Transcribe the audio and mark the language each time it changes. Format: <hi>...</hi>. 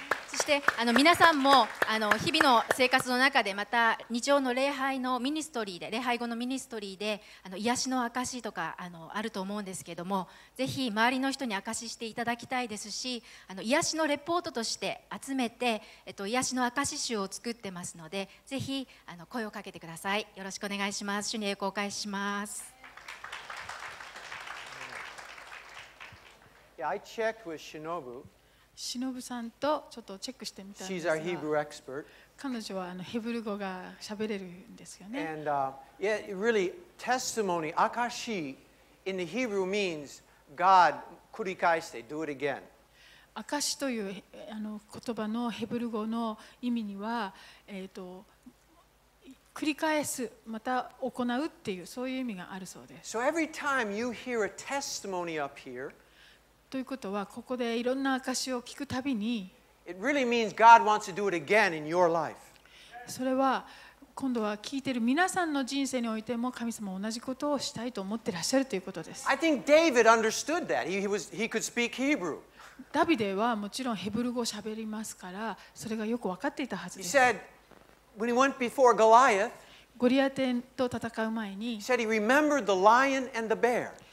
<ja>そして皆さんも日々の生活の中でまた日曜の礼拝のミニストリーで礼拝後のミニストリーで癒しの証とかあると思うんですけども、ぜひ周りの人に証していただきたいですし、癒しのレポートとして集めて、癒しの証集を作ってますので、ぜひ声をかけてください。よろしくお願いします。主に栄光を返します。</ja> <en>Yeah, I checked with Shinobu.</en> <ja>Shinobu さんとちょっとチェックしてみたんですが、</ja> <en>She's our Hebrew expert.</en> <ja>彼女はヘブル語が喋れるんですよね。</ja> <en>And yeah, really, testimony, akashi, in the Hebrew means God,</en> <ja>繰り返して、</ja> <en>do it again.</en> <ja>証という言葉のヘブル語の意味には、繰り返す、また行うっていう、そういう意味があるそうです。</ja> <en>So every time you hear a testimony up here,</en> <ja>ということはここでいろんな証を聞くたびに、</ja> <en>It really means God wants to do it again in your life.</en> <ja>それは今度は聞いている皆さんの人生においても神様は同じことをしたいと思っていらっしゃるということです。</ja> <en>I think David understood that. He could speak Hebrew.</en> <ja>ダビデはもちろんヘブル語を喋りますから、それがよく分かっていたはずです。</ja> <en>He said when he went before Goliath,</en> <ja>ゴリアテと戦う前に、</ja> <en>He said he remembered the lion and the bear.</en>